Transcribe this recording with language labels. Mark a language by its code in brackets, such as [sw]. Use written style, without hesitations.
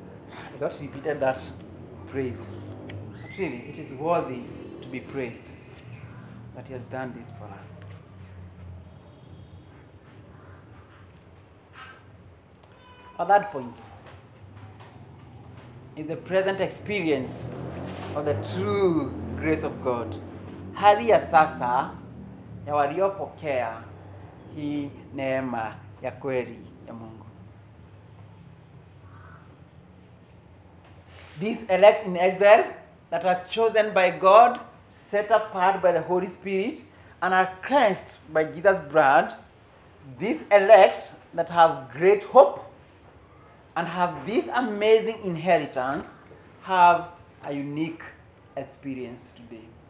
[en] I got repeated that praise. But really, it is worthy to be praised. That he has done this for us. At that point, is the present experience of the true grace of God. [sw] Hali ya sasa ya waliopokea hii neema ya kweli ya Mungu. [en] These elect in exile that are chosen by God, set apart by the Holy Spirit, and are cleansed by Jesus' blood, these elect that have great hope and have this amazing inheritance have a unique experience today.